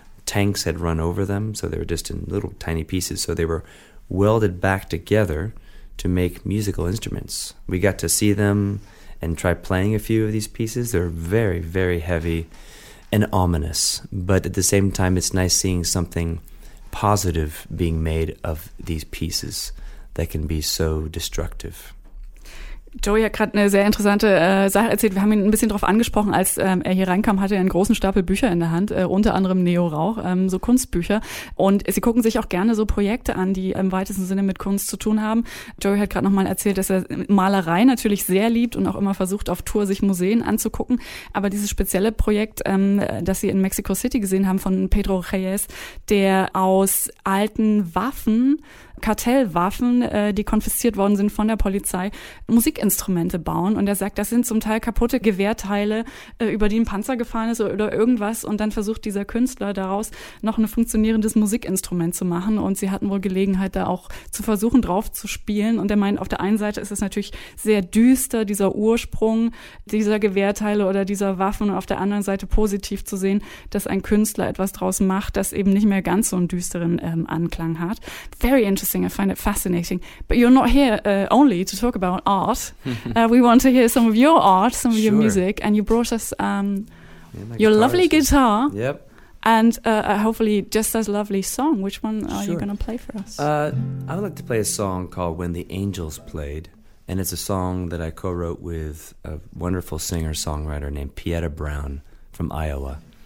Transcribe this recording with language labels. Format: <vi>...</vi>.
<en>Tanks had run over them, so they were just in little tiny pieces. So they were welded back together to make musical instruments. We got to see them and try playing a few of these pieces. They're very, very heavy and ominous. But at the same time, it's nice seeing something positive being made of these pieces that can be so destructive.</en> <de>Joey hat gerade eine sehr interessante Sache erzählt. Wir haben ihn ein bisschen drauf angesprochen, als er hier reinkam, hatte er einen großen Stapel Bücher in der Hand, unter anderem Neo Rauch, so Kunstbücher. Und sie gucken sich auch gerne so Projekte an, die im weitesten Sinne mit Kunst zu tun haben. Joey hat gerade nochmal erzählt, dass er Malerei natürlich sehr liebt und auch immer versucht, auf Tour sich Museen anzugucken. Aber dieses spezielle Projekt, das sie in Mexico City gesehen haben von Pedro Reyes, der aus alten Waffen, Kartellwaffen, die konfisziert worden sind von der Polizei, Musikinstrumente bauen. Und er sagt, das sind zum Teil kaputte Gewehrteile, über die ein Panzer gefahren ist oder irgendwas. Und dann versucht dieser Künstler daraus noch ein funktionierendes Musikinstrument zu machen. Und sie hatten wohl Gelegenheit, da auch zu versuchen, drauf zu spielen. Und er meint, auf der einen Seite ist es natürlich sehr düster, dieser Ursprung dieser Gewehrteile oder dieser Waffen. Und auf der anderen Seite positiv zu sehen, dass ein Künstler etwas draus macht, das eben nicht mehr ganz so einen düsteren Anklang hat.</de> <en>Very interesting. Interesting, I find it fascinating. But you're not here only to talk about art. We want to hear some of your art, some of your music, and you brought us your lovely guitar. Yep. And hopefully just as lovely song. Which one are you going to play for us? I would like to play a song called When the Angels Played, and it's a song that I co-wrote with a wonderful singer-songwriter named Pieta Brown from Iowa.</en>